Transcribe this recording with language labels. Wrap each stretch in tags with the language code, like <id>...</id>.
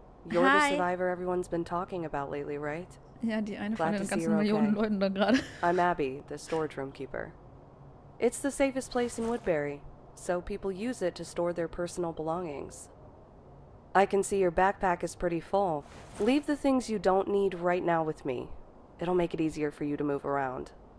<en>You're the survivor everyone's been talking about lately, right?</en> <de>Ja, die eine von den ganzen Millionen Leuten da gerade.</de> <en>I'm Abby, the storage room keeper. It's the safest place in Woodbury, so people use it to store their personal belongings. I can see your backpack is pretty full. Leave the things you don't need right now with me. It'll make it easier for you to move around.</en>